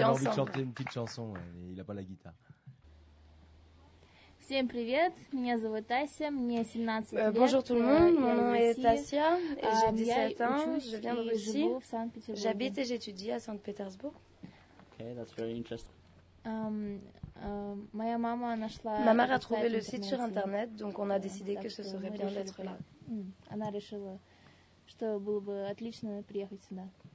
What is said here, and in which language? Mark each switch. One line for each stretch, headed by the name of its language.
French: Il a envie de chanter une petite chanson, mais il a pas la guitare.
Russian: Всем привет, меня зовут Тася, мне 17 лет.
French: Bonjour tout le monde, mon nom est Tasia, et j'ai 17 ans, je viens de Russie, j'habite et j'étudie à Saint-Pétersbourg.
English: Ok, that's very interesting.
French: Ma mère a trouvé le site sur internet, donc on a décidé que ce serait bien d'être là.
Russian: Она решила, что было бы отлично приехать сюда.